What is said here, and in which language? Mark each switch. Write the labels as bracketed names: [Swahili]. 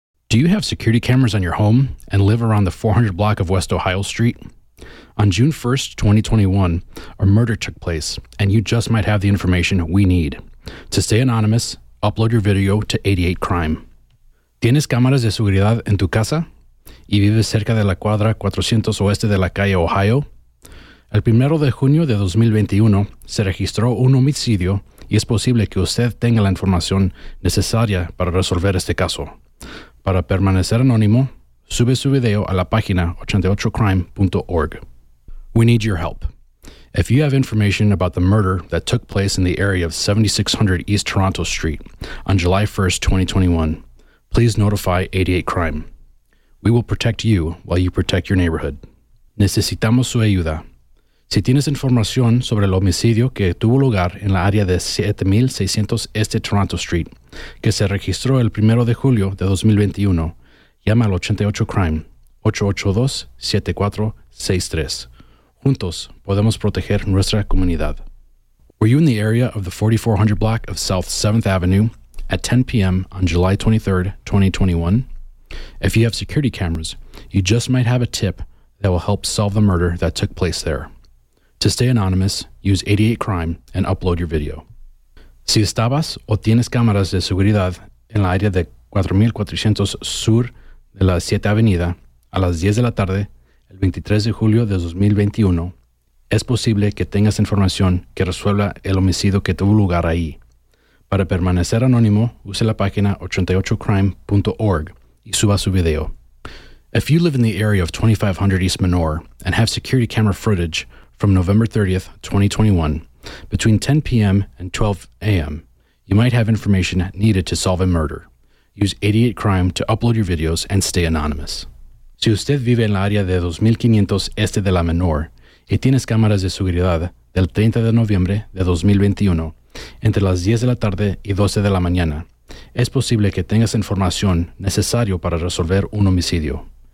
[English] Do you have security cameras on your home and live around the 400 block of West Ohio Street? On June 1st, 2021, a murder took place, and you just might have the information we need. To stay anonymous, upload your video to 88 Crime. [Spanish] ¿Tienes cámaras de seguridad en tu casa? ¿Y vives cerca de la cuadra 400 oeste de la calle Ohio? El 1 de junio de 2021 se registró un homicidio y es posible que usted tenga la información necesaria para resolver este caso. Para permanecer anónimo, sube su video a la página 88crime.org. [English] We need your help. If you have information about the murder that took place in the area of 7600 East Toronto Street on July 1st, 2021, please notify 88 Crime. We will protect you while you protect your neighborhood. [Spanish] Necesitamos su ayuda. Si tienes información sobre el homicidio que tuvo lugar en la área de 7600 Este Toronto Street, que se registró el 1 de julio de 2021, llama al 88 Crime, 882-7463. Juntos podemos proteger nuestra comunidad. [English] Were you in the area of the 4400 block of South 7th Avenue at 10 p.m. on July 23rd, 2021? If you have security cameras, you just might have a tip that will help solve the murder that took place there. To stay anonymous, use 88 Crime and upload your video. [Spanish] Si estabas o tienes cámaras de seguridad en la área de 4400 sur de la 7 Avenida a las 10 de la tarde, el 23 de julio de 2021, es posible que tengas información que resuelva el homicidio que tuvo lugar ahí. Para permanecer anónimo, use la página 88crime.org y suba su video. [English] If you live in the area of 2500 East Menor and have security camera footage from November 30th, 2021, between 10 p.m. and 12 a.m., you might have information needed to solve a murder. Use 88 Crime to upload your videos and stay anonymous. [Spanish] Si usted vive en la área de 2500 Este de la Menor y tienes cámaras de seguridad del 30 de noviembre de 2021, entre las 10 de la tarde y 12 de la mañana, es posible que tengas información necesaria para resolver un homicidio.